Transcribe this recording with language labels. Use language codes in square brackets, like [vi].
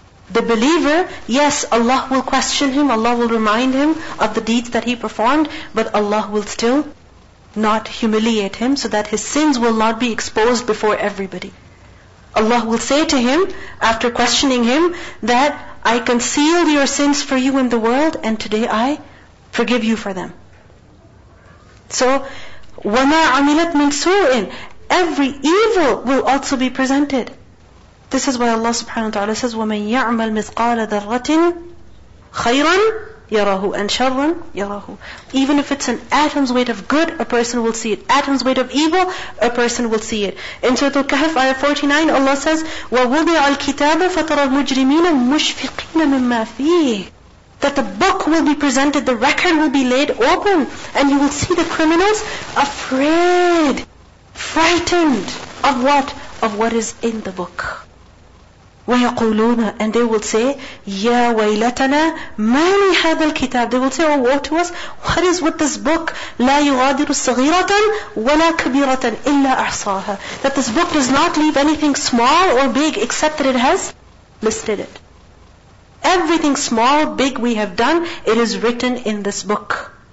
[en] The believer, yes, Allah will question him, Allah will remind him of the deeds that he performed, but Allah will still not humiliate him so that his sins will not be exposed before everybody. Allah will say to him, after questioning him, that I concealed your sins for you in the world and today I forgive you for them. [ar] So, وَمَا عَمِلَتْ مِنْ سُوءٍ. [en] Every evil will also be presented. This is why Allah subhanahu wa ta'ala says, [ar] وَمَنْ يَعْمَلْ مِثْقَالَ ذَرَّةٍ خَيْرًا يَرَهُ أَنْ شَرًّا يَرَهُ. [en] Even if it's an atom's weight of good, a person will see it. Atom's weight of evil, a person will see it. In Surah Al-Kahf, Ayah 49, Allah says, [ar] وَوُضِعَ الْكِتَابَ فَتَرَى الْمُجْرِمِينَ مُشْفِقِينَ مِمَّا فِيهِ. [en] That the book will be presented, the record will be laid open, and you will see the criminals afraid, frightened of what? Of what is in the book. [ar] وَيَقُولُونَ. [en] And they will say, [ar] يَا وَيْلَتَنَا مَا لِي هَذَا الْكِتَابِ. [en] They will say, oh woe to us, what is with this book? [ar] لَا يُغَادِرُ صَغِيرَةً وَلَا كَبِيرَةً إِلَّا أَحْصَاهَا. [en] That this book does not leave anything small or big except that it has listed it. Everything small, big we have done, it is written in this book.